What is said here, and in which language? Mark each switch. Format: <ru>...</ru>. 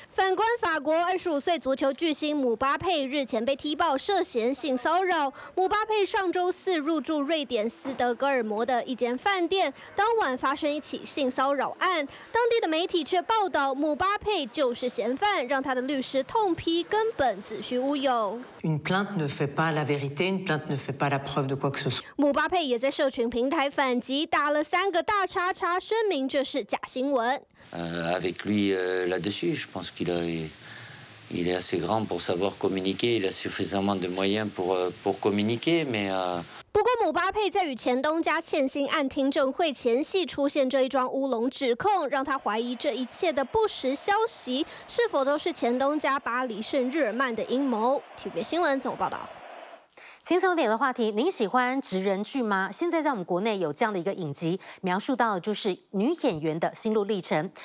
<zh>反观法国，25岁足球巨星姆巴佩日前被踢爆涉嫌性骚扰。姆巴佩上周四入住瑞典斯德哥尔摩的一间饭店，当晚发生一起性骚扰案，当地的媒体却报道姆巴佩就是嫌犯，让他的律师痛批根本子虚乌有。</zh> <fr>Une plainte ne fait pas la vérité, une plainte ne fait pas la preuve de quoi que ce soit.</fr> <zh>姆巴佩也在社群平台反击，打了3个大叉叉，声明这是假新闻。</zh> <fr>Avec lui là-dessus, je pense qu'il est assez grand pour savoir communiquer. Il a suffisamment de moyens pour communiquer, mais.</fr> <zh>不过姆巴佩在与前东家欠薪案听证会前夕出现这一桩乌龙指控，让他怀疑这一切的不实消息是否都是前东家巴黎圣日耳曼的阴谋。体育新闻怎么报道？轻松点的话题，您喜欢职人剧吗？现在在我们国内有这样的一个影集，描述到的就是女演员的心路历程。</zh>